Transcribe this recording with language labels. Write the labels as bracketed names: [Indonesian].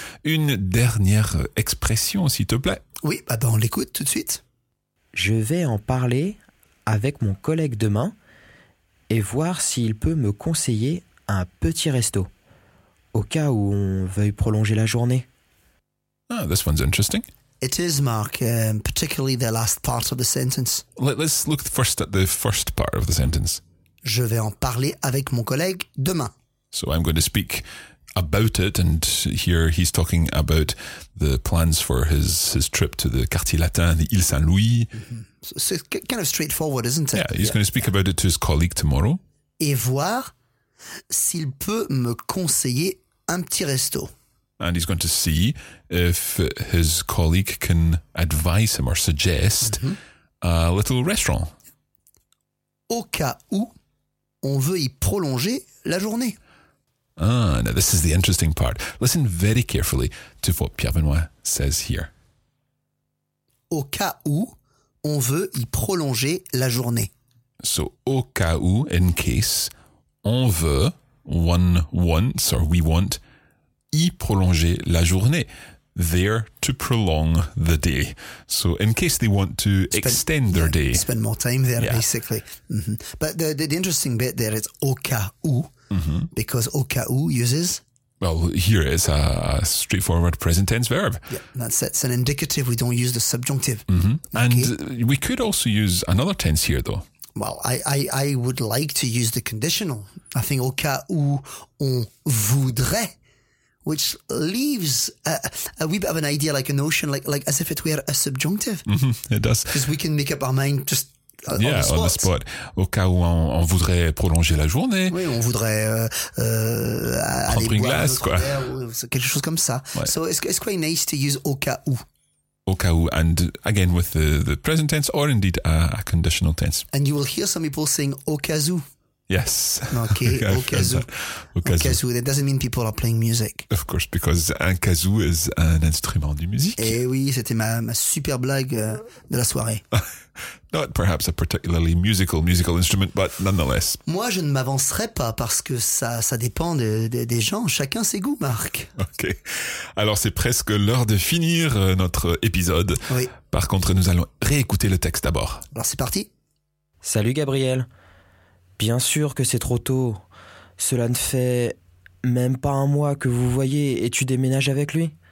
[French] Une dernière expression, s'il te plaît. Oui, on l'écoute tout de suite. Je vais en parler avec mon collègue demain et voir s'il peut me conseiller un petit resto au cas où on veuille prolonger la journée. [English] Ah, this one's interesting. It is, Mark, particularly the last part of the sentence. Let's look first at the first part of the sentence. [French] Je vais en parler avec mon collègue demain. [English] So I'm going to speak about it, and here he's talking about the plans for his trip to the Quartier Latin, the Île Saint-Louis. Mm-hmm. So it's kind of straightforward, isn't it? Yeah, he's going to speak about it to his colleague tomorrow. [French] Et voir s'il peut me conseiller un petit resto. [English] And he's going to see if his colleague can advise him or suggest mm-hmm. a little restaurant. [French] Au cas où on veut y prolonger la journée. [English] Ah, now this is the interesting part. Listen very carefully to what Pierre Benoît says here. [French] Au cas où on veut y prolonger la journée. [English] So, [French] au cas où, [English] in case, [French] on veut, [English] one wants or we want, [French] y prolonger la journée. [English] There to prolong the day. So, in case they want to extend their day. Spend more time there, basically. Mm-hmm. But the interesting bit there is [French] au cas où. [English] Mm-hmm. Because [French] au cas où [English] uses? Well, here it's a straightforward present tense verb. Yeah, that's an indicative. We don't use the subjunctive. Mm-hmm. And okay. We could also use another tense here, though. Well, I would like to use the conditional. I think [French] au cas où on voudrait, [English] which leaves a wee bit of an idea, like a notion, like as if it were a subjunctive. Mm-hmm. It does. Because we can make up our mind just On the spot. [French] Au cas où on voudrait prolonger la journée. Oui, on voudrait prendre aller une glace, quoi. Quelque chose comme ça. Ouais. [English] So it's quite nice to use [French] au cas où. Au cas où, [English] and again with the present tense or indeed a conditional tense. And you will hear some people saying [French] au cas où. [English] Yes. [French] Okay, au cas où. [English] That doesn't mean people are playing music. Of course, because [French] un cas où [English] is an [French] instrument de musique. Eh oui, c'était ma super blague de la soirée. [English] Not perhaps a particularly musical instrument, but nonetheless. [French] Moi, je ne m'avancerai pas parce que ça dépend des gens. Chacun ses goûts, Marc. Ok. Alors, c'est presque l'heure de finir notre épisode. Oui. Par contre, nous allons réécouter le texte d'abord. Alors, c'est parti. Salut, Gabriel. Bien sûr que c'est trop tôt. Cela ne fait même pas un mois que vous voyez et tu déménages avec lui.